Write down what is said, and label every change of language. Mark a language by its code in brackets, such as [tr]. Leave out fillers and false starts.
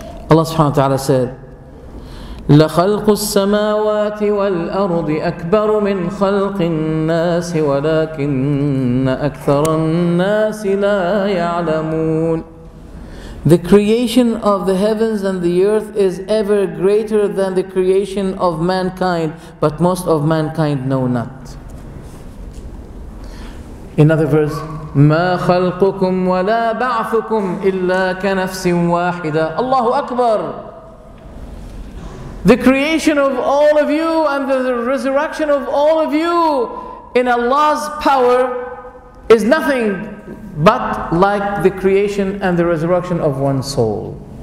[en] Allah subhanahu wa ta'ala said, [ar] لَخَلْقُ السَّمَاوَاتِ وَالْأَرْضِ أَكْبَرُ مِنْ خَلْقِ النَّاسِ وَلَكِنَّ أَكْثَرَ النَّاسِ لَا يَعْلَمُونَ. [en] The creation of the heavens and the earth is ever greater than the creation of mankind, but most of mankind know not. In other words, [ar] مَا خَلْقُكُمْ وَلَا بَعْثُكُمْ إِلَّا كَنَفْسٍ وَاحِدًا. Allahu Akbar! [en] The creation of all of you and the resurrection of all of you in Allah's power is nothing but like the creation and the resurrection of one soul.